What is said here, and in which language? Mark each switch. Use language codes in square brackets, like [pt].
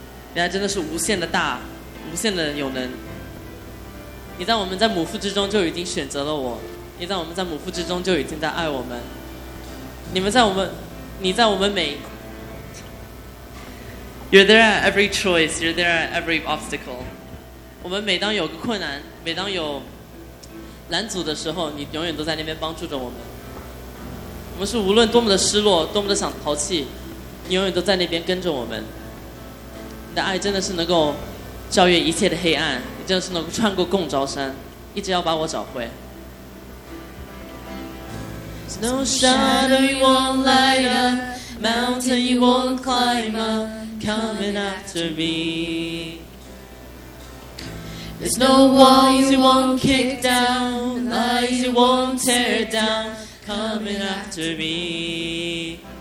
[zh] 你的爱真的是无限的大，无限的有能。你在我们在母腹之中就已经选择了我，你在我们在母腹之中就已经在爱我们。你在我们每 [en] You're there at every choice, you're there at every obstacle. [zh] 我们每当有个困难，每当有拦阻的时候，你永远都在那边帮助着我们。我们是无论多么的失落，多么的想淘气，你永远都在那边跟着我们。你的爱真的是能够超越一切的黑暗，你真的是能够穿过共招山，一直要把我找回。 [en] There's no shadow you won't light up, mountain you won't climb up, coming after me. There's no walls you won't kick down, lies you won't tear down, coming after me.